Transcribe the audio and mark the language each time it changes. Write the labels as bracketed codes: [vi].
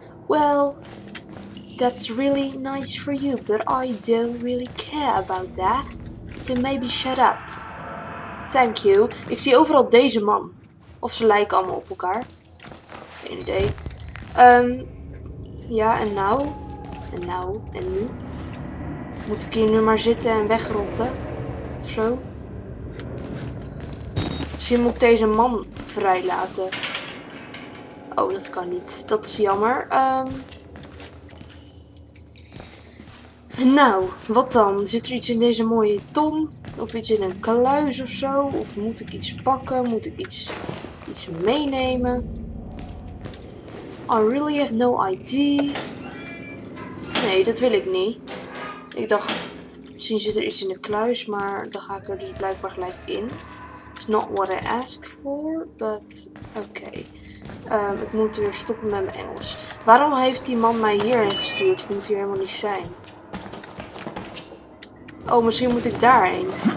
[en] Well, that's really nice for you, but I don't really care about that. So maybe shut up. Thank you. [nl] Ik zie overal deze man. Of ze lijken allemaal op elkaar. Geen idee. Ja, en nou? En nou? En nu? Moet ik hier nu maar zitten en wegrotten? Of zo? Misschien moet ik deze man vrijlaten. Oh, dat kan niet. Dat is jammer. Nou, wat dan? Zit er iets in deze mooie ton? Of iets in een kluis of zo? Of moet ik iets pakken? Moet ik iets meenemen? [en] I really have no idea. [nl] Nee, dat wil ik niet. Ik dacht, misschien zit er iets in de kluis, maar dan ga ik er dus blijkbaar gelijk in. [en] It's not what I asked for, but okay. [nl] Ik moet weer stoppen met mijn Engels. Waarom heeft die man mij hierheen gestuurd? Ik moet hier helemaal niet zijn. Oh, misschien moet ik daarheen.